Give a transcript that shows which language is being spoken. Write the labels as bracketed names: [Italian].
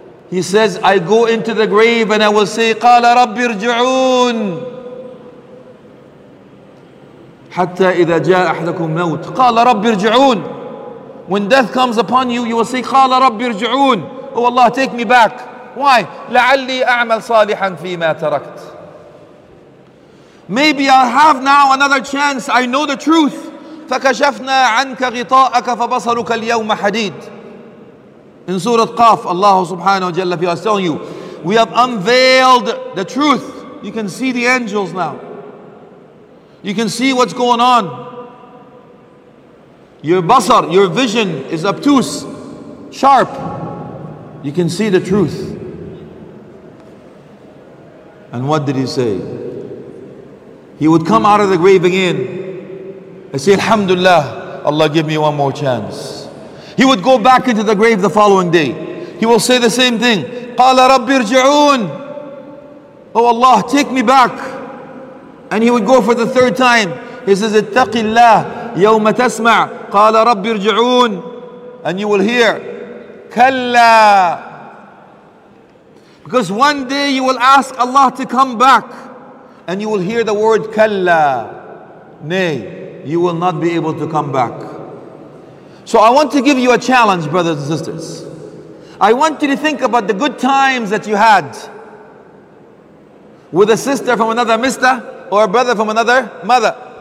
[English] He says, I go into the grave and I will say, [Arabic] قَالَ رَبِّ ارْجِعُونَ حَتَّى إِذَا جَاءَ أَحْدَكُمْ مَوْتِ قَالَ رَبِّ ارْجِعُونَ. [English] When death comes upon you, you will say, [Arabic] قَالَ رَبِّ ارْجِعُونَ. [English] Oh Allah, take me back. Why? [Arabic] لَعَلِّي أَعْمَلْ صَالِحًا فِي مَا تَرَكْتِ. [English] Maybe I'll have now another chance. I know the truth. [Arabic] فكشفنا عنك غطاءك فبصرك اليوم حديد. [English] In Surah Qaf, Allah subhanahu wa ta'ala is telling you, we have unveiled the truth. You can see the angels now. You can see what's going on. Your basar, your vision is obtuse, sharp. You can see the truth. And what did he say? He would come out of the grave again and say, Alhamdulillah, Allah give me one more chance. He would go back into the grave the following day. He will say the same thing. [Arabic] قَالَ رَبِّ ارْجِعُونَ. [English] Oh Allah, take me back. And he would go for the third time. He says, [Arabic] اتَّقِ اللَّهِ يَوْمَ تَسْمَعُ قَالَ رَبِّ ارْجِعُونَ. [English] And you will hear, كَلَّا. Because one day you will ask Allah to come back. And you will hear the word, كَلَّا. Nay, you will not be able to come back. So I want to give you a challenge, brothers and sisters. I want you to think about the good times that you had with a sister from another mister or a brother from another mother.